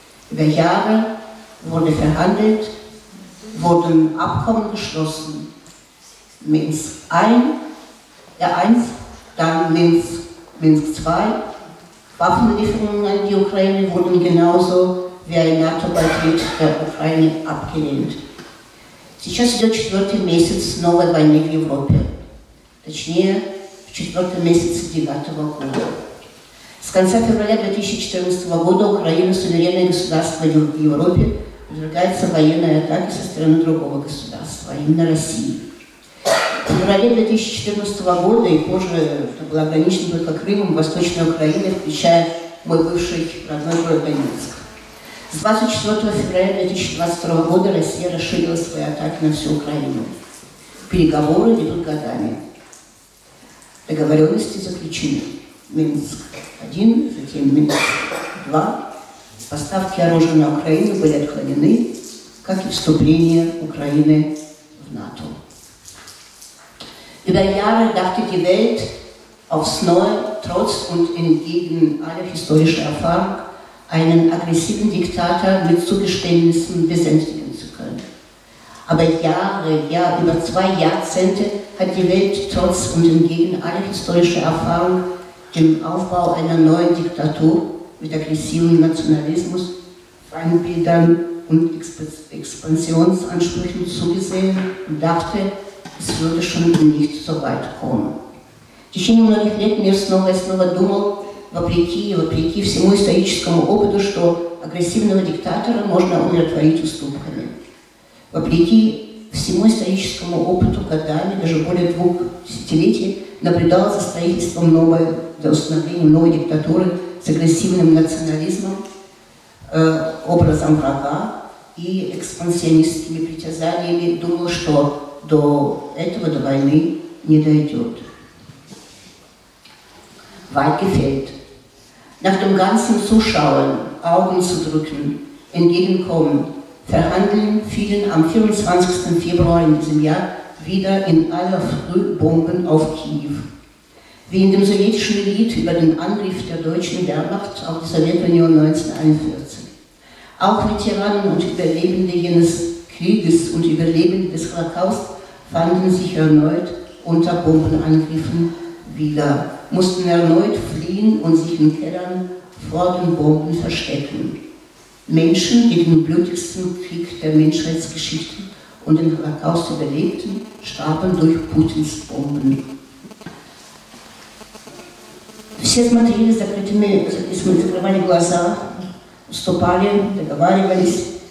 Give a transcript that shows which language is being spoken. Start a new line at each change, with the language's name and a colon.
German: Über Jahre wurde verhandelt, wurden Abkommen geschlossen. Minsk I, R1, dann Minsk II. Waffenlieferungen an die Ukraine wurden genauso wie ein NATO-Beitritt der Ukraine abgelehnt.
Russian: Сейчас идет четвертый месяц новой войны в Европе. Точнее, в четвертый месяц 9-го года. С конца февраля 2014 года Украина, суверенное государство в Европе, подвергается военной атаке со стороны другого государства, именно России. В феврале 2014 года, и позже это было ограничено только Крымом, Восточная Украина, включая мой бывший родной город Донецк. С 24 февраля 2022 года Россия расширила свои атаки на всю Украину. Переговоры идут годами. Договоренности заключены. Минск. Один, затем Минск 2. Поставки оружия на Украину были отклонены, как и вступление Украины в НАТО.
German: Über Jahre dachte die Welt aufs Neue, trotz und entgegen aller historischer Erfahrung, einen aggressiven Diktator mit Zugeständnissen besänftigen zu können. Aber Jahre, ja, über zwei Jahrzehnte hat die Welt trotz und entgegen aller historischer Erfahrung dem Aufbau einer neuen Diktatur mit aggressivem Nationalismus, Feindbildern und Expansionsansprüchen zugesehen und dachte, es würde schon nicht so weit kommen.
Russian: В течение многих лет мир снова и снова думал, вопреки всему историческому опыту, что агрессивного диктатора можно умиротворить уступками. Вопреки всему историческому опыту годами, даже более двух десятилетий, наблюдал за строительством новой, за установлением новой диктатуры с агрессивным национализмом, образом врага и экспансионистскими притязаниями, думал, что до этого, до войны не дойдет.
German: Weit gefällt. Nach dem ganzen Zuschauen, Augen zu drücken, entgegenkommen, Verhandeln fielen am 24. Februar in diesem Jahr wieder in aller Früh Bomben auf Kiew. wie in dem sowjetischen Lied über den Angriff der deutschen Wehrmacht auf die Sowjetunion 1941. Auch Veteranen und Überlebende jenes Krieges und Überlebende des Holocaust fanden sich erneut unter Bombenangriffen wieder, mussten erneut fliehen und sich in Kellern vor den Bomben verstecken. Menschen, die den blutigsten Krieg der Menschheitsgeschichte und den Holocaust überlebten, starben durch Putins Bomben.
Russian: Все смотрели закрывали глаза, уступали, договаривались.